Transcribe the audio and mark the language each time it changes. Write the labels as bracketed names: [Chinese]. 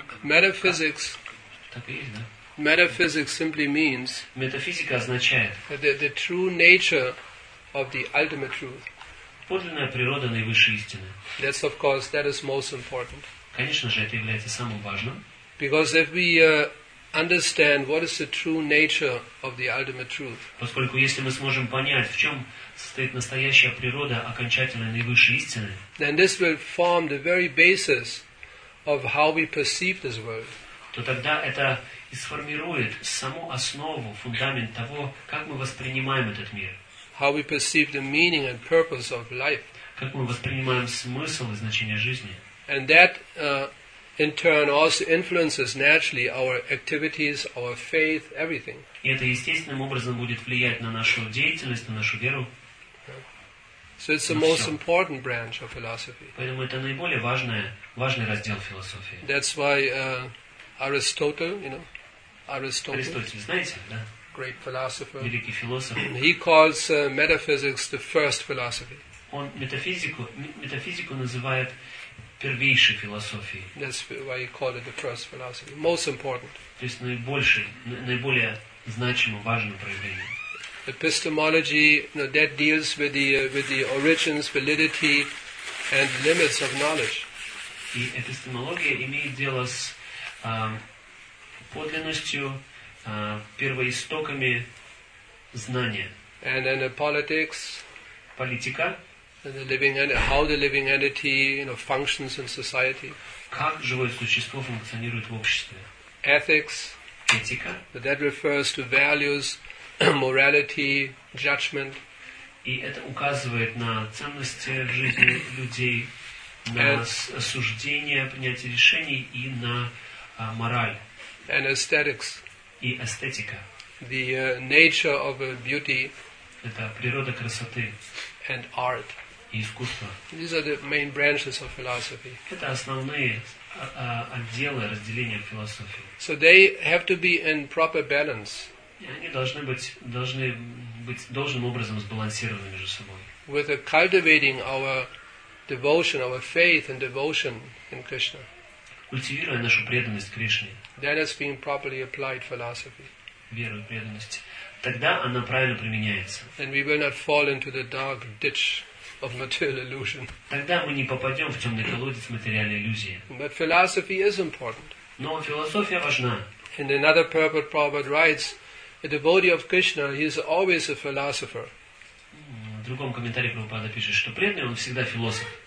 [English] Metaphysics. [Russian] Так и есть, да? [English] Metaphysics simply means [Russian] метафизика означает [English] the true nature of the ultimate truth. [Russian] Подлинная природа наивысшей истины. [English] That's of course that is most important. [Russian] Конечно же, это является самым важным. [English] Because if we understand what is the true nature of the ultimate truth. [Russian] Поскольку если мы сможем понять, в чем состоит настоящая природа окончательной наивысшей истины, [English] then this will form the very basis of how we perceive this world. [Russian] То тогда это и сформирует саму основу, фундамент того, как мы воспринимаем этот мир. [English] How we perceive the meaning and purpose of life. [Russian] Как мы воспринимаем смысл и значение жизни. [English] And that, in turn, also influences naturally our activities, our faith, everything. [Russian] И это естественным образом будет влиять на нашу деятельность, на нашу веру. [English] So it's the most important branch of philosophy. [Russian] Поэтому это наиболее важный раздел философии. [English] That's why Aristotle, you know, Aristotle. [Russian] Aristotle, знаете, да? [English] Great philosopher. [Russian] Великий философ. [English] He calls metaphysics the first philosophy. [Russian] Он метафизику называет первейшей философией. [English] That's why he called it the first philosophy, most important. [Russian] То есть наиболее значимым, важным проявлением. [English] Epistemology, you know, that deals with the origins, validity, and limits of knowledge. [Russian] И эпистемология имеет дело с подлинностью, первоистоками знания. [English] And then the politics, [Russian] политика, [English] and the living how the living entity, you know, functions in society. [Russian] Как живое существо функционирует в обществе. [English] Ethics, [Russian] этика. [English] But that refers to values, morality, judgment. [Russian] И это указывает на ценности жизни людей, на осуждение, принятие решений и на мораль. [English] And aesthetics. [Russian] И эстетика. [English] The nature of beauty. [Russian] Это природа красоты. [English] And art. [Russian] И искусство. [English] These are the main branches of philosophy. [Russian] Это основные отделы разделения философии. [English] So they have to be in proper balance. [Russian] И они должны быть должным образом сбалансированы между собой. [English] With cultivating our devotion, our faith and devotion in Krishna. [Russian] Культивируя нашу преданность Кришне. [English] Then it's being properly applied philosophy. [Russian] Веру и преданность. Тогда она правильно применяется. [English] And we will not fall into the dark ditch of material illusion. [Russian] Тогда мы не попадем в темный колодец материальной иллюзии. [English] But philosophy is important. [Russian] Но философия важна. [English] And another purport Prabhupada writes, a devotee of Krishna, he is always a philosopher. [Russian] В другом комментарии Прабхупада пишет, что преданный он всегда философ.